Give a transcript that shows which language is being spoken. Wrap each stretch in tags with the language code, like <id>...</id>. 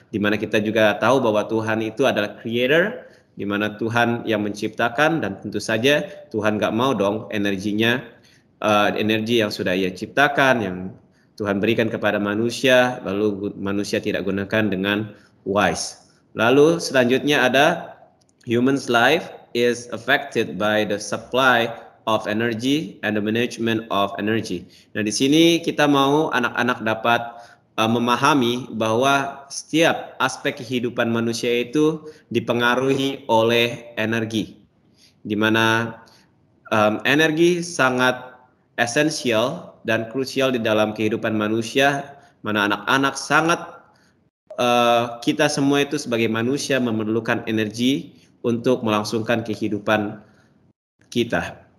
<id>Di mana kita juga tahu bahwa Tuhan itu adalah creator, di mana Tuhan yang menciptakan, dan tentu saja Tuhan gak mau dong energinya, energi yang sudah ia ciptakan, yang Tuhan berikan kepada manusia, lalu manusia tidak gunakan dengan wise. Lalu selanjutnya ada,</id> <en>human's life is affected by the supply of energy and the management of energy.</en> <id>Nah, di sini kita mau anak-anak dapat memahami bahwa setiap aspek kehidupan manusia itu dipengaruhi oleh energi, di mana energi sangat esensial dan krusial di dalam kehidupan manusia, mana anak-anak sangat kita semua itu sebagai manusia memerlukan energi untuk melangsungkan kehidupan kita.</id>